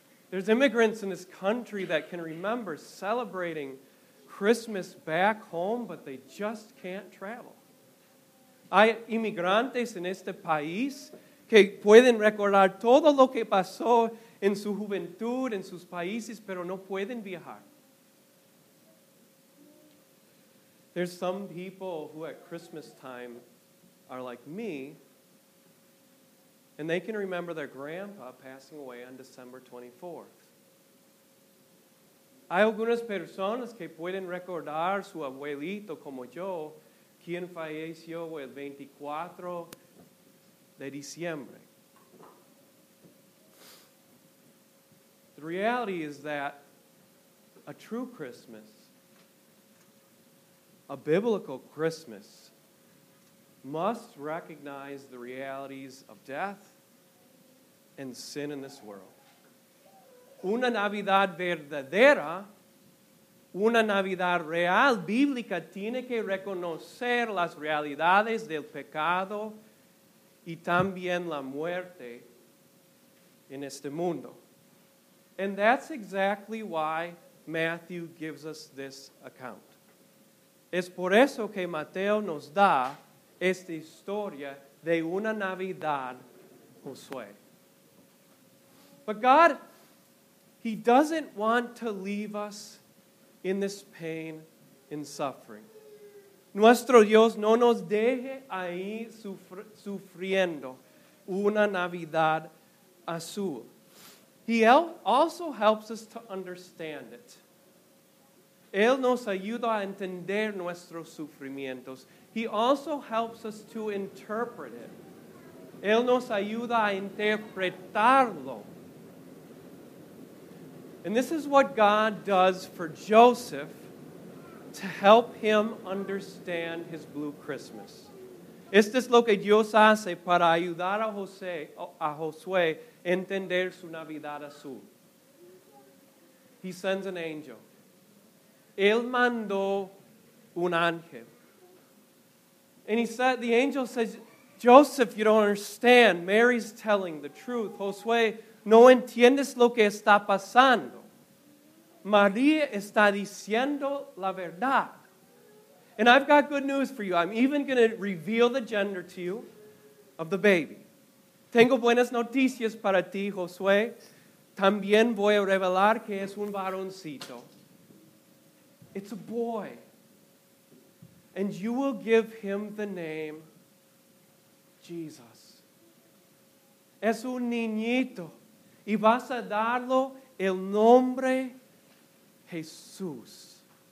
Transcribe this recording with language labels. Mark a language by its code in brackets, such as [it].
[en] There's immigrants in this country that can remember celebrating Christmas back home, but they just can't travel. [es] Hay inmigrantes en este país que pueden recordar todo lo que pasó en su juventud, en sus países, pero no pueden viajar. [en] There's some people who at Christmas time are like me, and they can remember their grandpa passing away on December 24th. [es] Hay algunas personas que pueden recordar su abuelito como yo, quien falleció el 24 de diciembre. [en] The reality is that a true Christmas, a biblical Christmas, must recognize the realities of death and sin in this world. [es] Una Navidad verdadera, una Navidad real, bíblica, tiene que reconocer las realidades del pecado y también la muerte en este mundo. [en] And that's exactly why Matthew gives us this account. [es] Es por eso que Mateo nos da esta historia de una Navidad Josué. [en] But God, He doesn't want to leave us in this pain and suffering. [es] Nuestro Dios no nos deje ahí sufriendo una Navidad azul. [en] He also helps us to understand it. [es] Él nos ayuda a entender nuestros sufrimientos. [en] He also helps us to interpret it. [es] Él nos ayuda a interpretarlo. [en] And this is what God does for Joseph to help him understand his blue Christmas. [es] Esto es lo que Dios hace para ayudar a José, a Josué entender su Navidad azul. [en] He sends an angel. [es] Él mandó un ángel. [en] And he said, the angel says, Joseph, you don't understand. Mary's telling the truth. [es] Josué, no entiendes lo que está pasando. María está diciendo la verdad. [en] And I've got good news for you. I'm even going to reveal the gender to you of the baby. [es] Tengo buenas noticias para ti, Josué. También voy a revelar que es un varoncito. [en] It's a boy. And you will give him the name Jesus. [es] Es un niñito. Y vas a darlo el nombre Jesús.